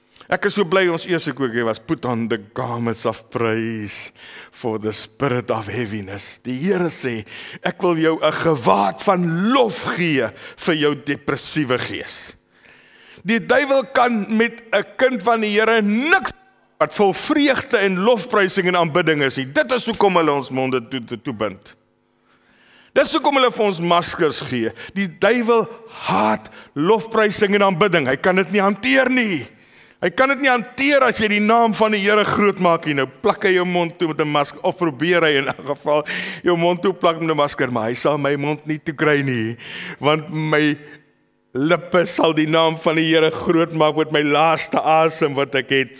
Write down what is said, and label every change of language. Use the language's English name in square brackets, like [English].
[Afrikaans] Ek is so bly ons eerste kookie was [English] put on the garments of praise for the spirit of heaviness. [Afrikaans] Die Here sê, ek wil jou 'n gewaad van lof gee vir jou depressiewe gees. Die duiwel kan met 'n kind van die Here niks wat vol vreugde en lofprysing en aanbidding is. Dit is hoekom hulle ons monde toe bind. Dit is hoekom hulle vir ons maskers gee. Die duiwel haat lofprysing en aanbidding. Hy kan dit nie hanteer nie. Hy kan dit nie hanteer as jy die naam van die Here groot maak nie. Nou plak hy jou mond toe met 'n masker of probeer hy in 'n geval jou mond toe plak met 'n masker, maar hy sal my mond nie toe kry nie, want my lippe sal die naam van die Here groot maak met my laaste asem wat ek het.